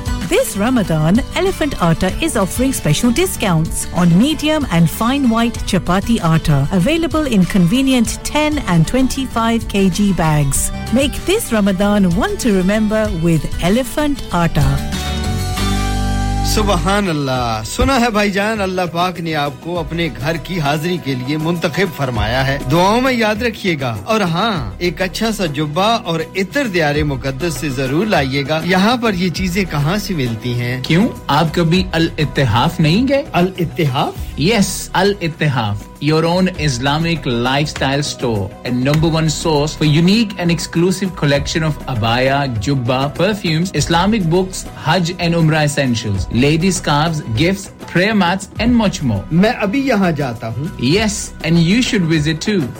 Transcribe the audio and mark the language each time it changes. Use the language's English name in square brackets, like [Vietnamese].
[English] This Ramadan, Elephant Atta is offering special discounts on medium and fine white chapati atta, available in convenient 10 and 25 kg bags. Make this Ramadan one to remember with Elephant Atta. [Hindi] सुभानअल्लाह सुना है भाईजान अल्लाह पाक ने आपको अपने घर की हाजरी के लिए मुंतखब फरमाया है दुआओं में याद रखिएगा और हां एक अच्छा सा जुब्बा और इत्र दियारे मुकद्दस से जरूर लाइएगा यहां पर ये चीजें कहां से मिलती हैं क्यों आप कभी अल इत्तेहाफ नहीं गए अल इत्तेहाफ yes Al इत्तेहाफ [English] your own Islamic lifestyle store and number one source for unique and exclusive collection of abaya, jubba, perfumes, Islamic books, Hajj and Umrah essentials, lady scarves, gifts, prayer mats and much more. [Hindi] Main abhi yahan jata hoon. [English] Yes, and you should visit too.